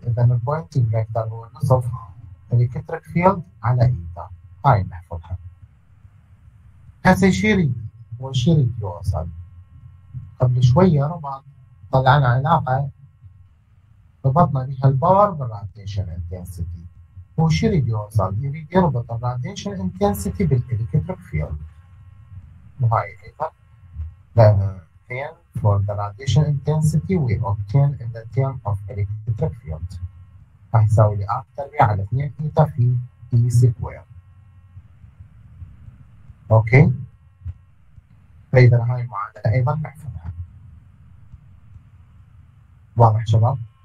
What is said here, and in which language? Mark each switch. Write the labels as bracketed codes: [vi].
[ar] اذا البوينتنج فيكتور هو نصف الالكتريك فيلد على ايتا، هاي نحفظها. هسه شيري وشيري يوصل قبل شويه ربط، طلعنا علاقه ربطنا بها الباور بالراديشن انتنسيتي. هو شيري يوصل يريد يربط [en] الراديشن انتنسيتي بالالكتريك فيلد، [ar] وهاي ايضا [en] then for the radiation intensity we obtain in the term of electric field. [ar] فهيساوي لي R تربيع على 2 ثيتا في E سكوير. اوكي، فإذا هاي المعادلة أيضا نحفظها. واضح شباب؟